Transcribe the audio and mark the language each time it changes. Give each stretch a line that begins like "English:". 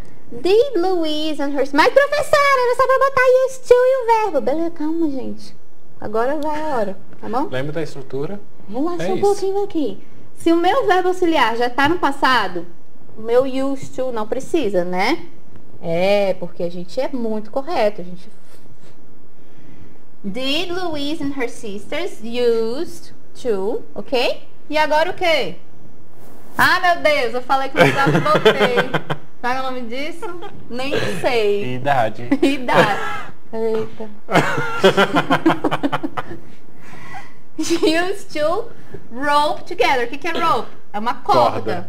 English: Did Louise and her...
Portuguese: Mas professora, era só pra botar used to e o verbo. Beleza, calma, gente. Agora vai a hora, tá bom? Lembra da estrutura? Vamos lá, é só isso. Um pouquinho aqui. Se o meu verbo auxiliar já tá no passado, o meu used to não precisa, né? É, porque a gente é muito correto, a gente...
English: Did Louise and her sisters used to, ok?
Portuguese: E agora o quê? Ah, meu Deus, eu falei que não estava voltei. Como é o nome disso? Nem sei. Idade. Idade. Eita.
English: Used to rope together.
Portuguese: O que, que é rope? É uma corda.